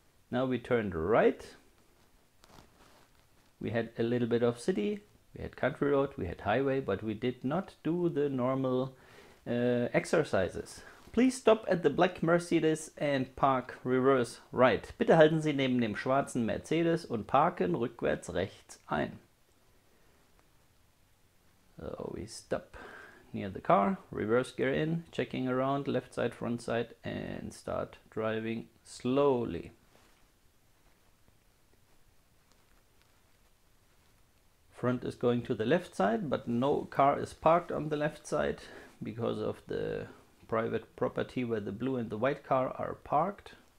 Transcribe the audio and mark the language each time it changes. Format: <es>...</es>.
<en>Now we turned right. We had a little bit of city. We had country road, we had highway, but we did not do the normal exercises. Please stop at the black Mercedes and park reverse right.</en> <de>Bitte halten Sie neben dem schwarzen Mercedes und parken rückwärts rechts ein.</de> <en>So we stop near the car, reverse gear in, checking around left side, front side, and start driving slowly. Front is going to the left side, but no car is parked on the left side because of the private property where the blue and the white car are parked.</en>